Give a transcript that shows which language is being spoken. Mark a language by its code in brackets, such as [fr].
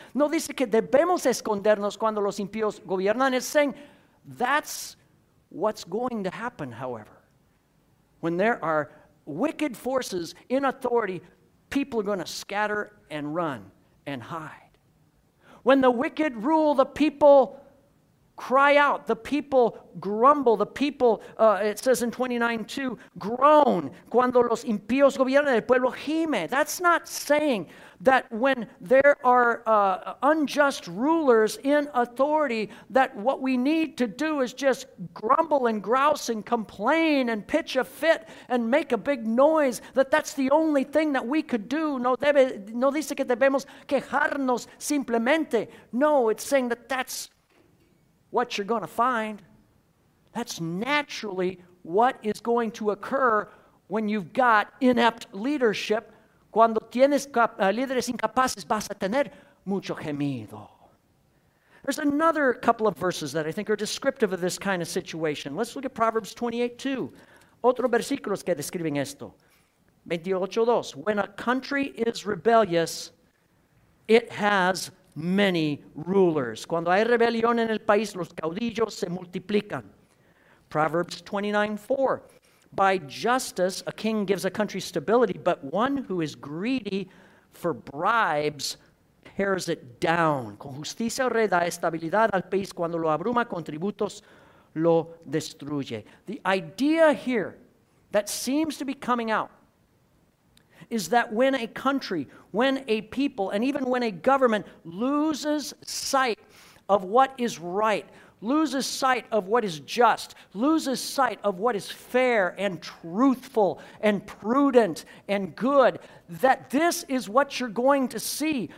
[es] No dice que debemos escondernos cuando los impíos gobiernan. [en] It's saying that's what's going to happen, however. When there are wicked forces in authority, people are going to scatter and run and hide. When the wicked rule, the people cry out, the people grumble, the people, it says in 29:2, groan. [es] Cuando los impíos gobiernan, el pueblo gime. [en] That's not saying that when there are unjust rulers in authority, that what we need to do is just grumble and grouse and complain and pitch a fit and make a big noise, that that's the only thing that we could do. [es] No dice que debemos quejarnos simplemente. [en] No, it's saying that that's what you're going to find. That's naturally what is going to occur when you've got inept leadership. [es] Cuando tienes líderes incapaces, vas a tener mucho gemido. [en] There's another couple of verses that I think are descriptive of this kind of situation. Let's look at Proverbs 28:2. [es] Otro versículo que describen esto. 28:2. [en] When a country is rebellious, it has many rulers. [es] Cuando hay rebelión en el país, los caudillos se multiplican. [en] Proverbs 29:4. By justice, a king gives a country stability, but one who is greedy for bribes tears it down. [es] Con justicia el rey da estabilidad al país cuando lo abruma con tributos lo destruye. [en] The idea here that seems to be coming out is that when a country, when a people, and even when a government loses sight of what is right, loses sight of what is just, loses sight of what is fair and truthful and prudent and good, that this is what you're going to see.